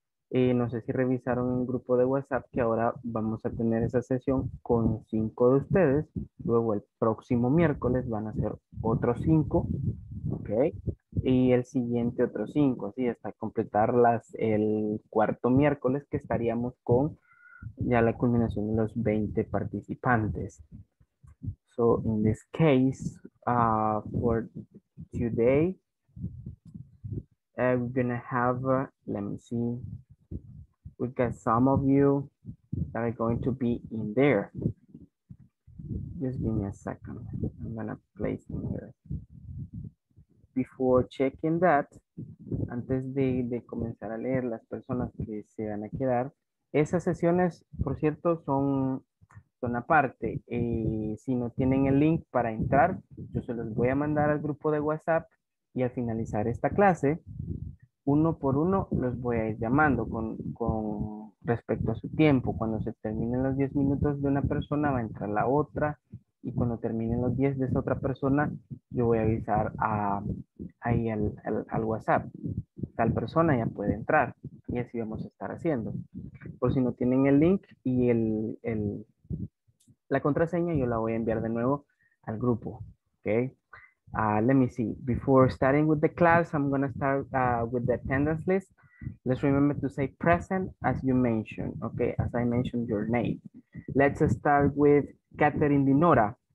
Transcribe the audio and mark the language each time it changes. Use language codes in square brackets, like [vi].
[es] No sé si revisaron un grupo de WhatsApp que ahora vamos a tener esa sesión con 5 de ustedes. Luego el próximo miércoles van a ser otros 5. Okay. Y el siguiente otros 5. Así hasta completar el cuarto miércoles, que estaríamos con ya la culminación de los 20 participantes. [en] So in this case, for today, we're gonna have, let me see, we got some of you that are going to be in there. Just give me a second, I'm gonna place them here. Before checking that, [es] antes de comenzar a leer las personas que se van a quedar, esas sesiones, por cierto, son aparte. Si no tienen el link para entrar, yo se los voy a mandar al grupo de WhatsApp y al finalizar esta clase, uno por uno los voy a ir llamando con respecto a su tiempo. Cuando se terminen los 10 minutos de una persona, va a entrar la otra. Y cuando terminen los 10 de esa otra persona, yo voy a avisar al WhatsApp. Tal persona ya puede entrar. Y así vamos a estar haciendo. Por si no tienen el link y la contraseña, yo la voy a enviar de nuevo al grupo. [en] Okay. Let me see. Before starting with the class, I'm going to start with the attendance list. Let's remember to say present as you mentioned. Okay, as I mentioned your name. Let's start with Catherine Dinora.